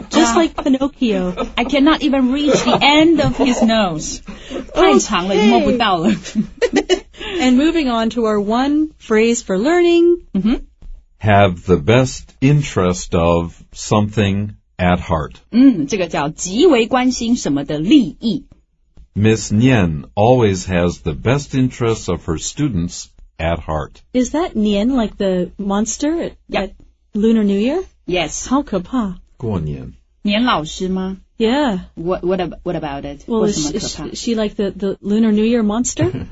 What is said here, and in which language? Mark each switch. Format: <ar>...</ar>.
<en>Just like Pinocchio. I cannot even reach the end of his nose.</en> <zh>太长了，摸不到了。</zh> <en>And moving on to our one phrase for learning.、 Mm-hmm. Have the best interest of something at heart.、</en> <zh>这个叫极为关心什么的利益。</zh> <en>Miss Nian always has the best interests of her students at heart. Is that Nian like the monster? Yep. Lunar New Year? Yes.</en> <zh>好可怕。过年。年老师吗</zh> <en>Yeah. What about it? Well, is she like the Lunar New Year monster?</en>